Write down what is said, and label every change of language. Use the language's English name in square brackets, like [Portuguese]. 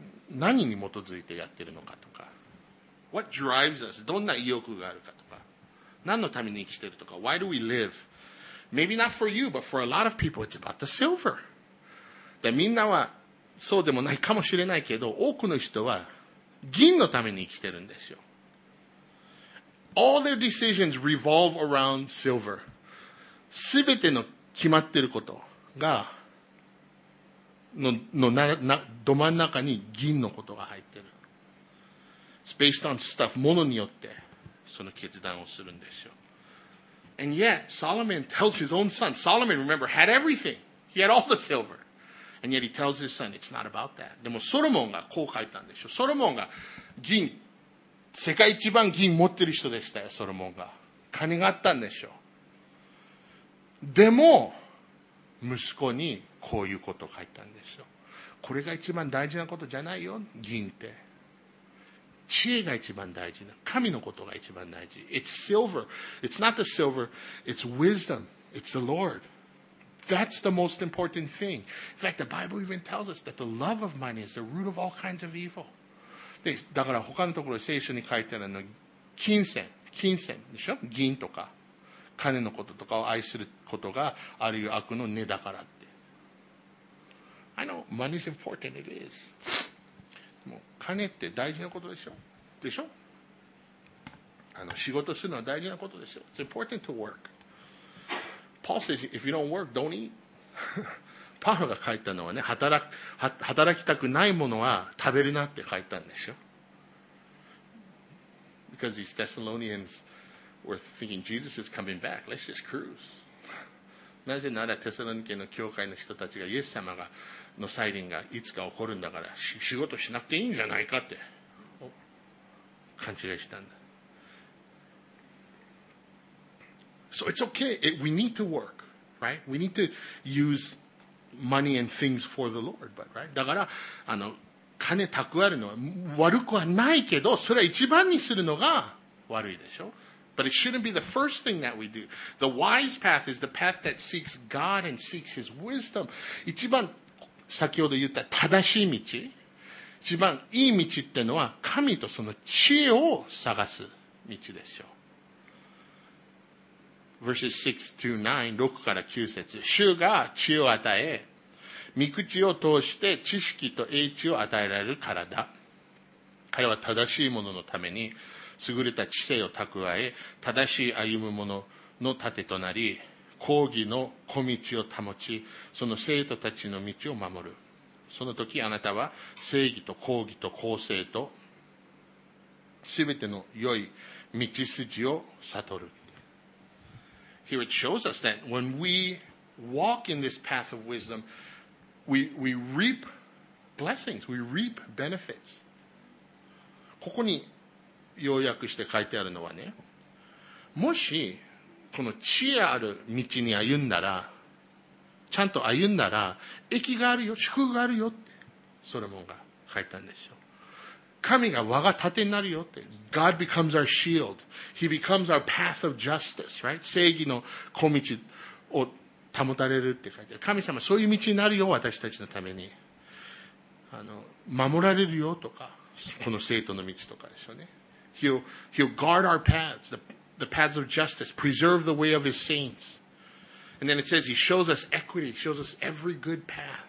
[Japanese] 何に基づいてやってるのかとか、 [English] What drives us? [Japanese] どんな意欲があるかとか、何のために生きてるとか、 [English] Why do we live? Maybe not for you, but for a lot of people, it's about the silver. [Japanese] で、みんなはそうでもないかもしれないけど、多くの人は銀のために生きてるんですよ。 [English] All their decisions revolve around silver. [Japanese] すべての決まってることが、のなな、ど真ん中に銀のことが入ってる。 [English] It's based on stuff, [Japanese] ものによってその決断をするんですよ。 [English] And yet, Solomon tells his own son, Solomon, remember, had everything. He had all the silver. And yet he tells his son, it's not about that. [Japanese] でもソロモンがこう書いたんでしょ。ソロモンが銀、世界一番銀持ってる人でしたよ、ソロモンが。金があったんでしょ。でも、息子にこういうことを書いたんですよ。これが一番大事なことじゃないよ、銀って。知恵が一番大事な。神のことが一番大事。 [English] It's silver. It's not the silver. It's wisdom. It's the Lord. That's the most important thing. In fact, the Bible even tells us that the love of money is the root of all kinds of evil. [Japanese] で、だから他のところ聖書に書いてあるの、金銭。金銭でしょ？銀とか。金のこととかを愛することがあるいは悪の根だからって。 [English] I know money is important, it is. [Japanese] もう金って大事なことでしょ？でしょ？あの仕事するのは大事なことですよ。 [English] It's important to work. Paul says, if you don't work, don't eat. [Japanese] パウロが書いたのはね、働きたくないものは食べるなって書いたんですよ。 [English] Because these Thessalonians were thinking Jesus is coming back. Let's just cruise. [Japanese] なぜならテサロニケの教会の人たちがイエス様がの再臨がいつか起こるんだから仕事しなくていいんじゃないかって勘違いしたんだ。 [English] So it's okay. We need to work, right? We need to use money and things for the Lord, but right? [Japanese] だからあの金蓄えるのは悪くはないけど、それは一番にするのが悪いでしょ。 [English] But it shouldn't be the first thing that we do. The wise path is the path that seeks God and seeks His wisdom. [Japanese] 一番先ほど言った正しい道、一番いい道ってのは神とその知恵を探す道でしょう。 [English] Verses 6 to 9, [Japanese] 6から9節。主が知恵を与え、御口を通して知識と英知を与えられるからだ。彼は正しいもののために、優れた知性を蓄え、正しい歩む者の盾となり、公義の小道を保ち、その生徒たちの道を守る。その時あなたは正義と公義と公正と、すべての良い道筋を悟る。 [English] Here it shows us that when we walk in this path of wisdom, we reap blessings, we reap benefits. [Japanese] ここに要約して書いてあるのはね、もしこの知恵ある道に歩んだら、ちゃんと歩んだら、益があるよ、祝福があるよって、ソロモンが書いたんですよ。神が我が盾になるよって。 [English] God becomes our shield. He becomes our path of justice, right? [Japanese] 正義の小道を保たれるって書いてある。神様、そういう道になるよ、私たちのために。あの、守られるよとか、この生徒の道とかですよね。 [English] He'll guard our paths, the paths of justice, preserve the way of his saints. And then it says he shows us equity, shows us every good path.